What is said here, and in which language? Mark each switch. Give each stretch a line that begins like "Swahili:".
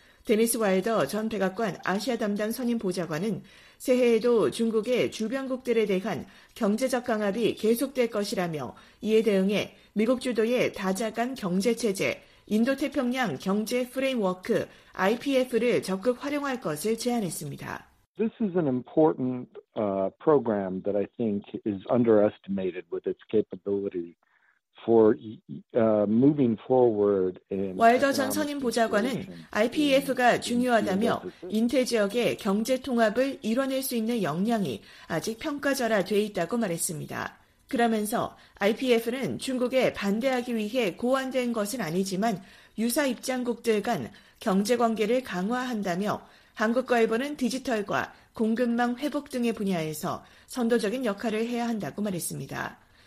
Korean: 데니스 와일더 전 백악관 아시아 담당 선임 보좌관은 새해에도 중국의 주변국들에 대한 경제적 강압이 계속될 것이라며 이에 대응해 미국 주도의 다자간 경제체제, 인도태평양 경제 프레임워크 IPF를 적극 활용할 것을 제안했습니다.
English: This is an important program that I think is underestimated with its capability for moving forward.
Korean: 와일더 전 선임 보좌관은 IPF가 중요하다며 인태 지역의 경제 통합을 이뤄낼 수 있는 역량이 아직 평가절하돼 있다고 말했습니다. 그러면서 IPF는 중국에 반대하기 위해 고안된 것은 아니지만 유사 입장국들 간 경제 관계를 강화한다며 한국과 일본은 디지털과 공급망 회복 등의 분야에서 선도적인 역할을 해야 한다고 말했습니다.